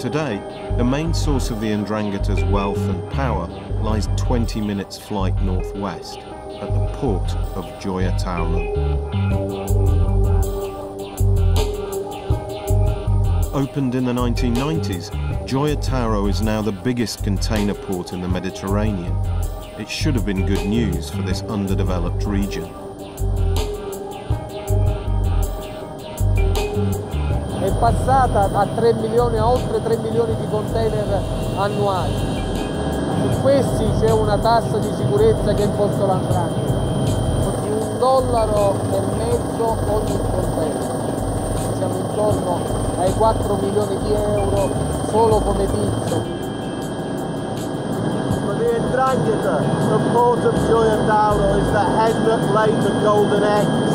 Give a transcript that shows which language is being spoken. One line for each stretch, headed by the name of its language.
English: Today, the main source of the Ndrangheta's wealth and power lies 20 minutes flight northwest, at the port of Gioia Tauro. opened in the 1990s, Gioia Tauro is now the biggest container port in the Mediterranean. It should have been good news for this underdeveloped region.
Italian: È passata a 3 milioni, a oltre 3 milioni di container annuali. Su questi c'è una tassa di sicurezza che è posto l'Ndrangheta. Di un dollaro e mezzo ogni container. Siamo intorno ai 4 milioni di euro solo come vizio.
English: Ndrangheta, the port of Gioia Tauro, is the head that laid the golden egg.